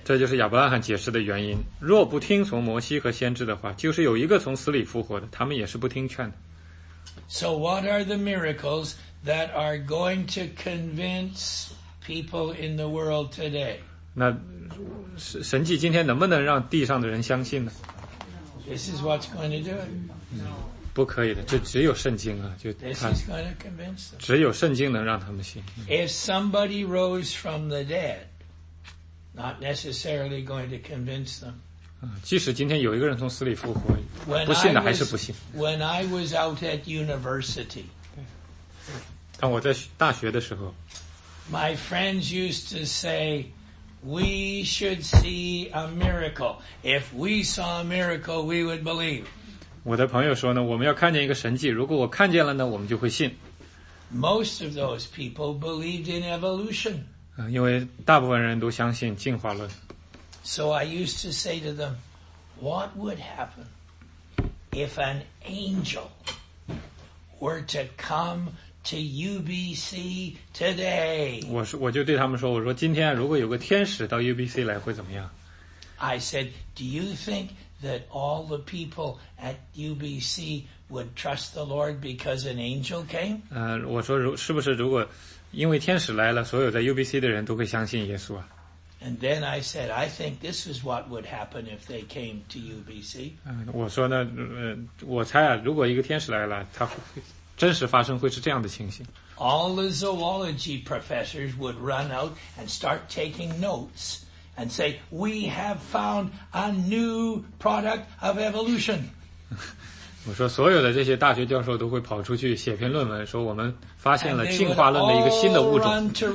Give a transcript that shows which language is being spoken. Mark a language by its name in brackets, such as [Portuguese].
[Chinese] 这就是亚伯拉罕解释的原因。若不听从摩西和先知的话，就是有一个从死里复活的，他们也是不听劝的。 [English] So what are the miracles that are going to convince people in the world today? [Chinese] 那神迹今天能不能让地上的人相信呢？ [English] This is what's going to do it. [Chinese] 不可以的，这只有圣经啊，就 [English] This is going to convince them. [Chinese] 只有圣经能让他们信。 [English] If somebody rose from the dead, not necessarily going to convince them. [Chinese] 即使今天有一个人从死里复活，不信的还是不信。 [English] When I was out at university, [Chinese] 当我在大学的时候 [English] ，My friends used to say. We should see a miracle. If we saw a miracle, we would believe. [Chinese] 我的朋友说呢，我们要看见一个神迹。如果我看见了呢，我们就会信。 [English] Most of those people believed in evolution. [Chinese] 因为大部分人都相信进化论。 [English] So I used to say to them, "What would happen if an angel were to come?" To UBC today. [Chinese] 我就对他们说，我说今天如果有个天使到 UBC 来会怎么样 [English] ？I said, Do you think that all the people at UBC would trust the Lord because an angel came? [Chinese] 我说是不是如果因为天使来了，所有在 UBC 的人都会相信耶稣啊 [English] ？And then I said, I think this is what would happen if they came to UBC. [Chinese] 我说呢，我猜啊，如果一个天使来了，他会。真实发生会是这样的情形。 [English] all the zoology professors would run out and start taking notes and say, we have found a new product of evolution. [Chinese] 我说所有的这些大学教授都会跑出去写篇论文，说我们发现了进化论的一个新的物种。